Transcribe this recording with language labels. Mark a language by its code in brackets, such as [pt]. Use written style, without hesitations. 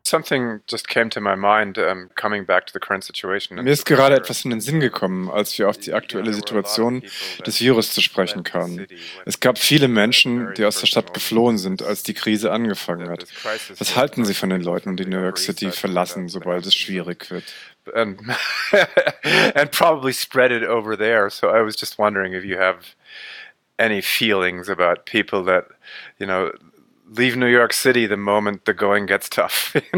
[en] Something just came to my mind, coming back to the current situation. [de] Mir ist gerade etwas in den Sinn gekommen, als wir auf die aktuelle Situation des Virus zu sprechen kamen. Es gab viele Menschen, die aus der Stadt geflohen sind, als die Krise angefangen hat. Was halten Sie von den Leuten, die New York City verlassen, sobald es schwierig wird? [en] And probably spread it over there. So I was just wondering if you have any feelings about people that, you know, leave New York City the moment the going gets tough.